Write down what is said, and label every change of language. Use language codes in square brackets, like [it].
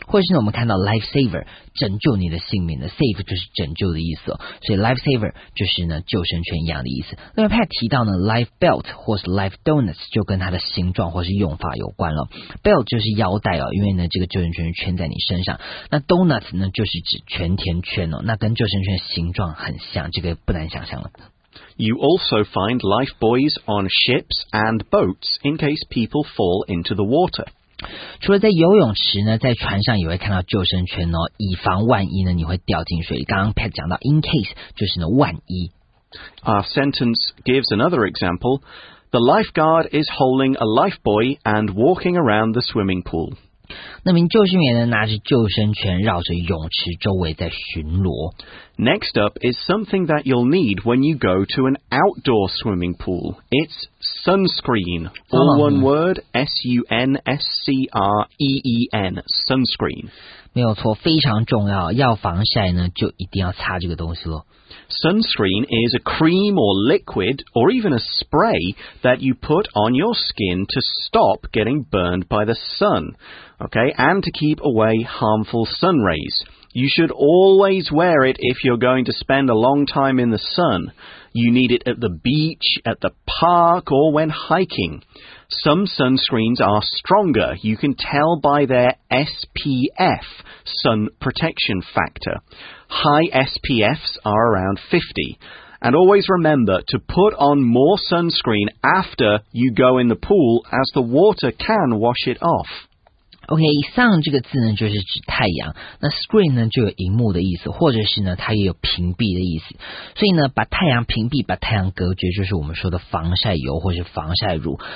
[zh] 或者是呢我们看到 lifesaver 拯救你的性命的 save 就是拯救的意思，所以 lifesaver 就是呢救生圈一样的意思。另外 Pat 提到呢 life belt 或是 life donuts 就跟它的形状或是用法有关了。 belt 就是腰带哦，因为呢这个救生圈圈在你身上。那 donuts 呢就是指甜甜圈哦，那跟救生圈形状很像，这个不难想象了。 [en] You also find life buoys on ships and boats in case people fall into the water. [zh] 除了在游泳池呢，在船上也会看到救生圈哦，以防万一呢，你会掉进水里。刚刚 Pat 讲到 in case 就是呢万一。 [en] Our sentence gives another example. The lifeguard is holding a life buoy and walking around the swimming pool. [zh] 那名救生员呢，拿着救生圈绕着泳池周围在巡逻。 [en] Next up is something that you'll need when you go to an outdoor swimming pool. It's sunscreen. All one word, S-U-N-S-C-R-E-E-N, sunscreen. [zh] 没有错，非常重要，要防晒呢就一定要擦这个东西咯。 [en] Sunscreen is a cream or liquid or even a spray that you put on your skin to stop getting burned by the sun, okay, and to keep away harmful sun rays. You should always wear it if you're going to spend a long time in the sun. You need it at the beach, at the park, or when hiking. Some sunscreens are stronger. You can tell by their SPF, sun protection factor. High SPFs are around 50. And always remember to put on more sunscreen after you go in the pool, as the water can wash it off. [zh] OK, sun 这个字呢就是指太阳，那 screen 呢就有荧幕的意思，或者是呢它也有屏蔽的意思，所以呢把太阳屏蔽，把太阳隔绝，就是我们说的防晒油或是防晒乳。